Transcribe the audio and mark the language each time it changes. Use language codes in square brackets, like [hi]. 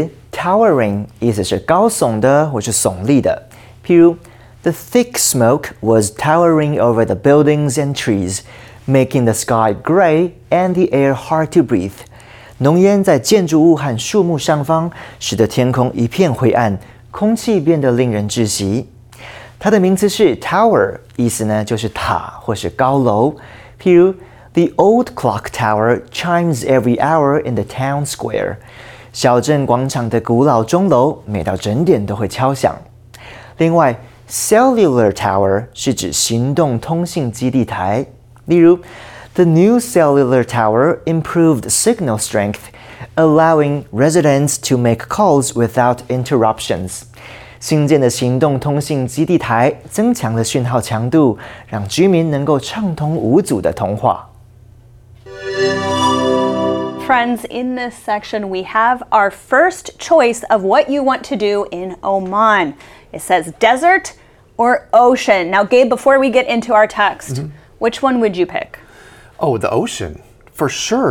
[en] Towering [zh] 意思是高耸的或是耸立的，譬如 [en] The thick smoke was towering over the buildings and trees, making the sky gray and the air hard to breathe. [zh] 浓烟在建筑物和树木上方，使得天空一片灰暗，空气变得令人窒息。它的名词是 tower， 意思呢就是塔或是高楼。譬如 [en] The old clock tower chimes every hour in the town square. [zh] 小镇广场的古老钟楼每到整点都会敲响。另外 ,cellular tower 是指行动通信基地台。例如 [en] ,the new cellular tower improved signal strength, allowing residents to make calls without interruptions. [zh] 新建的行动通信基地台增强了讯号强度，让居民能够畅通无阻的通话。 [en] Friends, in this section, we have our first choice of what you want to do in Oman. It says desert or ocean. Now, Gabe, before we get into our text, which one would you pick? Oh, the ocean, for sure.